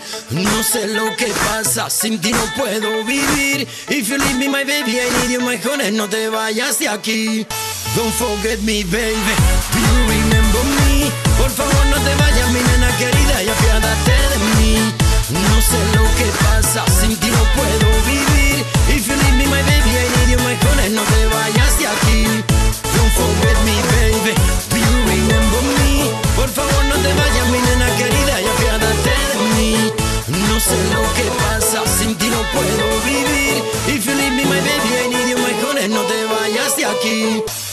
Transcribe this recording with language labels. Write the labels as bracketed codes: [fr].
[es] No sé lo que pasa, sin ti no puedo vivir. [en] If you leave me, my baby, I need you, my honey, [es] no te vayas de aquí. [en] Don't forget me, baby, do you remember me? [es] Por favor no te vayas, mi nena querida, y apiádate de mí. No sé lo que pasa, sin ti no puedo vivir. [en] If you leave me, my baby, I need you, my honey, [es] no te vayas de aquí. [en] Don't forget me, baby, do you remember me? [es] Por favor no te vayas, mi nena querida, y apiádate de mí. No sé lo que pasa, sin ti no puedo vivir. [en] If you leave me, my baby, I need you, my honey, [es] no te vayas de aquí.